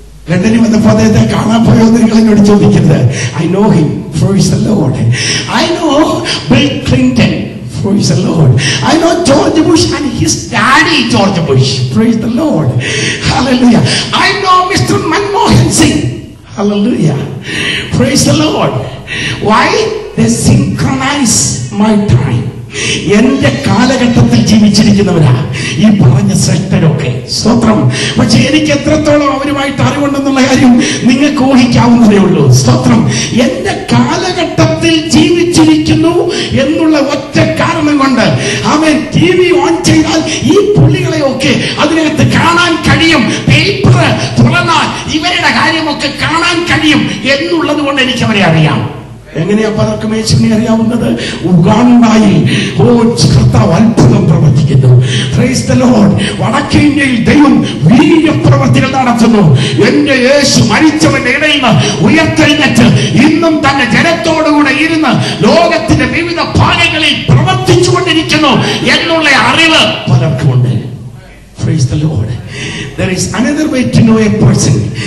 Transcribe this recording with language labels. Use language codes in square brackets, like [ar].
[ml] ലണ്ടനിൽ വന്നപ്പോ അദ്ദേഹത്തെ കാണാൻ പോയോ നിങ്ങൾ എന്നോട് ചോദിക്കരുത്. [en] I know him. Praise the Lord. I know Bill Clinton. Praise the Lord. I know George Bush and his daddy, George Bush. Praise the Lord. Hallelujah. I know Mr. Manmohan Singh. Hallelujah. Praise the Lord. Why? They synchronize my time. [ml] എന്റെ കാലഘട്ടത്തിൽ ജീവിച്ചിരിക്കുന്നവരാ ഈ പറഞ്ഞ ശ്രദ്ധരൊക്കെ സ്തോത്രം. പക്ഷെ എനിക്ക് എത്രത്തോളം അവരുമായിട്ട് അറിവുണ്ടെന്നുള്ള കാര്യം നിങ്ങൾക്ക് ഊഹിക്കാവുന്നതേ ഉള്ളൂ. സ്തോത്രം. എന്റെ കാലഘട്ടത്തിൽ ജീവിച്ചിരിക്കുന്നു എന്നുള്ള ഒറ്റ കാരണം കൊണ്ട് അവൻ ടി വി ഓൺ ചെയ്താൽ ഈ പുള്ളികളെയൊക്കെ അതിനകത്ത് കാണാൻ കഴിയും. പേപ്പർ തുറന്നാൽ ഇവരുടെ കാര്യമൊക്കെ കാണാൻ കഴിയും എന്നുള്ളത് കൊണ്ട് എനിക്ക് അവരെ അറിയാം. എങ്ങനെയാ പലർക്ക് മേച്ചിനെ അറിയാവുന്നത്? ഉഗാണ്ടായി അത്ഭുതം പ്രവർത്തിക്കുന്നു. [en] Praise the Lord. [ml] വടക്കേ ഇന്ത്യയിൽ ദൈവം വീര്യ പ്രവർത്തികൾ നടത്തുന്നു. എന്റെ യേശു മരിച്ചവന്റെ ഇടയിൽ ഉയർത്തെഴുന്നേറ്റ് ഇന്നും തന്റെ ജനത്തോടുകൂടെ ഇരുന്ന് ലോകത്തിന്റെ വിവിധ ഭാഗങ്ങളിൽ പ്രവർത്തിച്ചു കൊണ്ടിരിക്കുന്നു എന്നുള്ള അറിവ് പലർക്കുമുണ്ട്. [en] Praise the Lord. There is another way to know a person.